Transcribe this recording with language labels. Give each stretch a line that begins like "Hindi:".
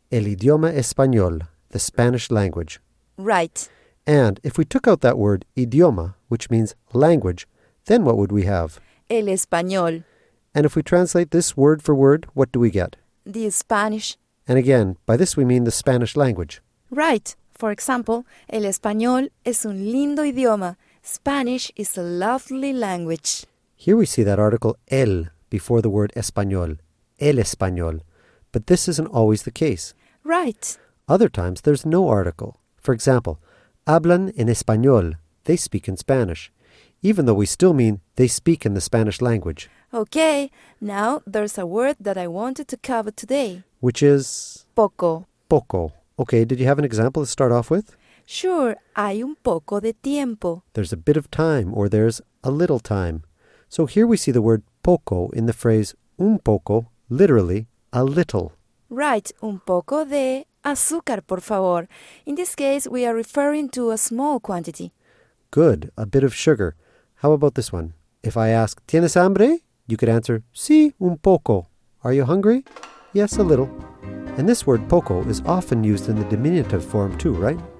Spanish: El idioma español,
English: the Spanish language. Right. And if we took out that word idioma, which means language, then what would we have?
Spanish: El español.
English: And if we translate this word for word, what do we get? The Spanish. And again, by this we mean the Spanish language. Right. For example,
Spanish: el español es un lindo idioma.
English: Spanish is a lovely language. Here we see that article el before the word español. El español. But this isn't always the case. Right. Other times there's no article. For example,
Spanish: hablan en español.
English: They speak in Spanish. Even though we still mean they speak in the Spanish language. Okay. Now there's a word that I wanted to cover today. Which is?
Spanish: Poco. Poco.
English: Okay, did you have an example to start off with?
Spanish: Sure, hay un poco de tiempo.
English: There's a bit of time, or there's a little time. So here we see the word poco in the phrase un poco, literally, a little.
Spanish: Right, un poco de azúcar, por favor.
English: In this case, we are referring to a small quantity. Good, a bit of sugar. How about this one? If I ask,
Spanish: ¿tienes hambre?
English: You could answer,
Spanish: sí, un poco.
English: Are you hungry? Yes, a little. And this word poco is often used in the diminutive form too, right?